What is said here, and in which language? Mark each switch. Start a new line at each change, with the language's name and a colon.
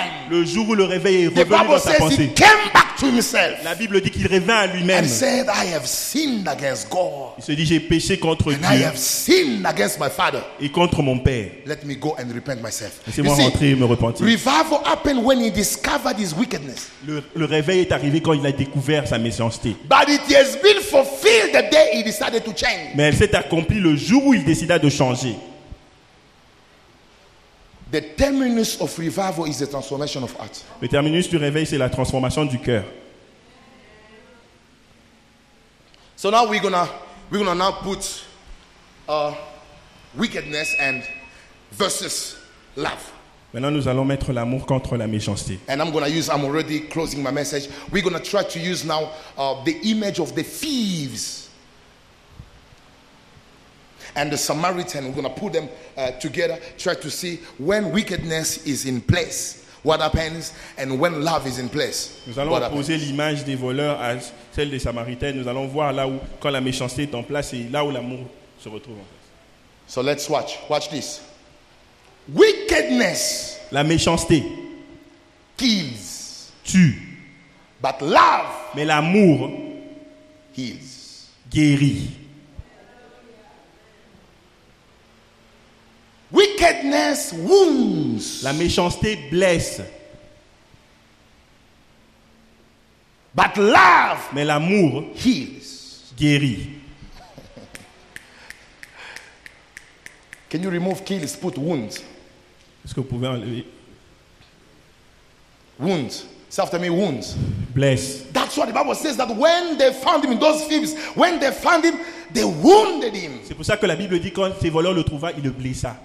French: le jour où le réveil est revenu dans sa pensée,
English: came back to himself,
French: la Bible dit qu'il revint à lui-même.
English: And said, I have sinned against God,
French: il se dit, j'ai péché contre
English: and
French: Dieu
English: I have sinned against my father.
French: Et contre mon père.
English: Let me go and repent myself.
French: Laissez-moi
English: you
French: rentrer
English: see,
French: et me repentir.
English: Revival happened when he discovered his wickedness.
French: Le réveil est arrivé quand il a découvert sa méchanceté.
English: But it has been fulfilled the day he decided to change.
French: Mais elle s'est accomplie le jour où il décida de changer.
English: The terminus of revival is the transformation of heart.
French: Le terminus du réveil, c'est la transformation du cœur.
English: So now we're gonna now put wickedness and versus love.
French: Maintenant, nous allons mettre l'amour contre la méchanceté.
English: And I'm already closing my message. We're gonna try to use now the image of the thieves and the Samaritan. We're gonna put them together, try to see when wickedness is in place, what happens, and when love is in place.
French: Nous allons opposer l'image des voleurs à celle des Samaritains. Nous allons voir là où, quand la méchanceté est en place, et là où l'amour se retrouve en place.
English: So let's watch. Watch this. Wickedness.
French: La méchanceté.
English: Kills.
French: Tue.
English: But love.
French: Mais l'amour.
English: Heals.
French: Guérit.
English: Wickedness wounds.
French: La méchanceté blesse.
English: But love.
French: Mais l'amour
English: heals.
French: Guérit.
English: Can you remove kills, put wounds?
French: Est-ce que vous pouvez enlever?
English: Wounds. Say after me, wounds.
French: Bless.
English: That's what the Bible says, that when they found him, those thieves, when they found him, they wounded him.
French: C'est pour ça que la Bible dit quand ces voleurs le trouva, il le blessa.